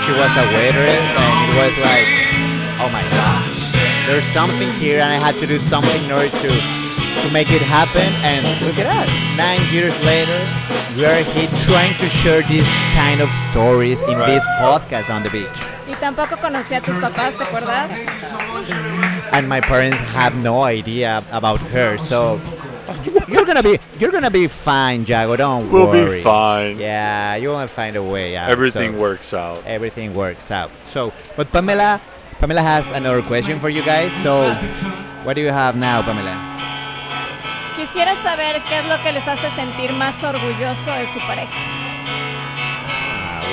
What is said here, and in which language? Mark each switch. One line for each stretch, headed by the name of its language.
English: She was a waitress and it was like, oh my God. There's something here and I had to do something in order to make it happen. And look at us. 9 years later, we are here trying to share these kind of stories in this podcast on the beach.
Spanish: Y tampoco conocí a tus papás, ¿te acuerdas?
English: And my parents have no idea about her, so you're gonna be fine, Yago, don't worry. We'll be fine. Yeah, you wanna find a way out. Everything works out. So, but Pamela has another question for you guys. So, what do you have now, Pamela?
Spanish: Quisiera saber qué es lo que les hace sentir más orgulloso de su pareja.